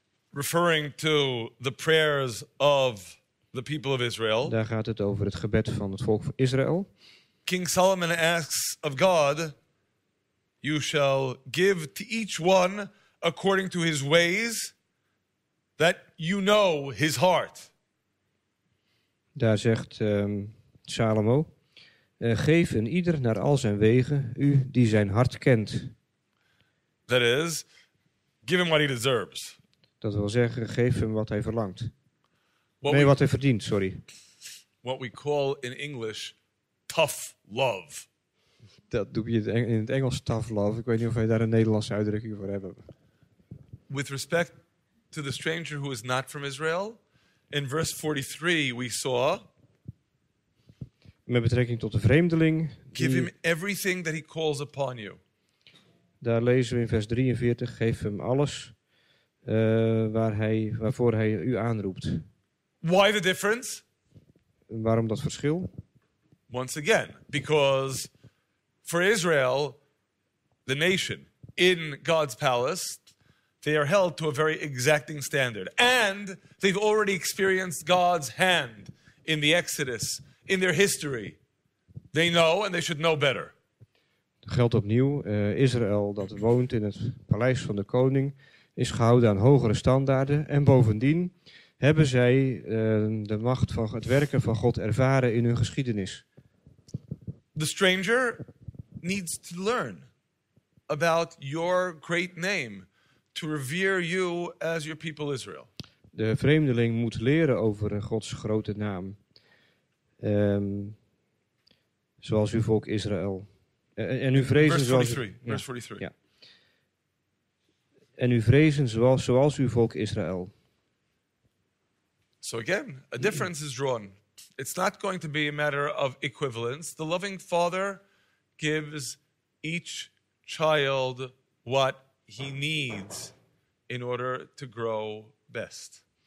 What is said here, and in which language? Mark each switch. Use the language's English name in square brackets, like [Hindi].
[English] Referring to the prayers of the people of Israel. [Dutch] Daar gaat het over het gebed van het volk van Israël. [English] King Solomon asks of God, you shall give to each one according to his ways, that you know his heart. [Dutch] Daar zegt Salomo, geef een ieder naar al zijn wegen, u die zijn hart kent. [English] That is, give him what he deserves. [Dutch] Dat wil zeggen, geef hem wat hij verlangt. Wat hij verdient, sorry. [English] What we call in English, tough love. [Dutch] Dat doe je in het Engels [English] tough love. [Dutch] Ik weet niet of wij daar een Nederlandse uitdrukking voor hebben. [English] With respect to the stranger who is not from Israel, in verse 43 we saw. [Dutch] Met betrekking tot de vreemdeling. [English] Give him everything that he calls upon you. [Dutch] Daar lezen we in vers 43: geef hem alles waarvoor hij u aanroept. [English] Why the difference? [Dutch] Waarom dat verschil? [English] Once again, because for Israel, the nation, in God's palace, they are held to a very exacting standard. And they've already experienced God's hand in the Exodus, in their history. They know and they should know better. [Dutch] Dat geldt opnieuw. Israël, dat woont in het paleis van de koning, is gehouden aan hogere standaarden. En bovendien hebben zij de macht van het werken van God ervaren in hun geschiedenis. [English] The stranger needs to learn about your great name, to revere you as your people Israel. [Dutch] De vreemdeling moet leren over Gods grote naam, zoals uw volk Israël. En uw vrezen zoals. [English] Verse 43. [Dutch] Ja. En uw vrezen zoals uw volk Israël. [English] So again, a difference is drawn. It's not going to be a matter of equivalence. The loving father gives each child what he needs in order to grow best.